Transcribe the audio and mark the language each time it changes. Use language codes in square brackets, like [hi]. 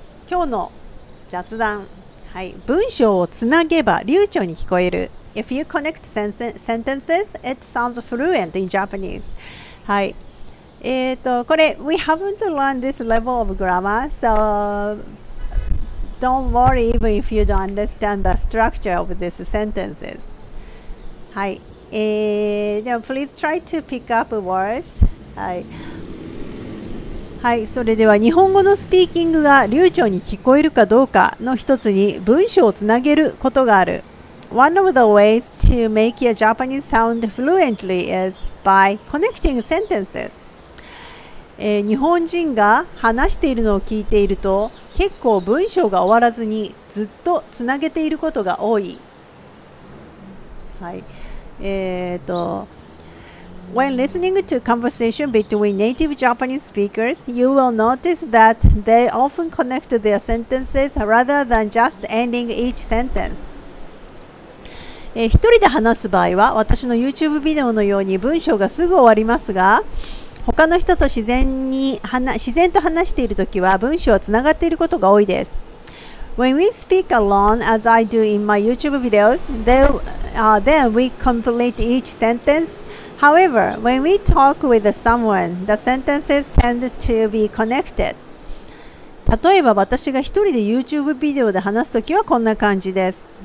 [ja] 今日の雑談、はい、文章をつなげば流暢に聞こえる。 [en] If you connect sentences, it sounds fluent in Japanese。 [ja] はい、これ [en] We haven't learned this level of grammar, so don't worry even if you don't understand the structure of these sentences。 [ja] はい、でも [en] Please try to pick up words。 [ja] はいはい、それでは日本語のスピーキングが流暢に聞こえるかどうかの一つに文章をつなげることがある。 [en] One of the ways to make your Japanese sound fluently is by connecting sentences. [ja] 日本人が話しているのを聞いていると結構文章が終わらずにずっとつなげていることが多い。はい、 [en] When listening to conversation between native Japanese speakers, you will notice that they often connect their sentences rather than just ending each sentence. [ja] 一人で話す場合は、私の YouTube ビデオのように文章がすぐ終わりますが、他の人と自然と話しているときは文章はつながっていることが多いです。 [en] When we speak alone, as I do in my YouTube videos, then we complete each sentence. However, when we talk with someone, the sentences tend to be connected. [ja] 例えば私が一人で YouTube ビデオで話すときはこんな感じです。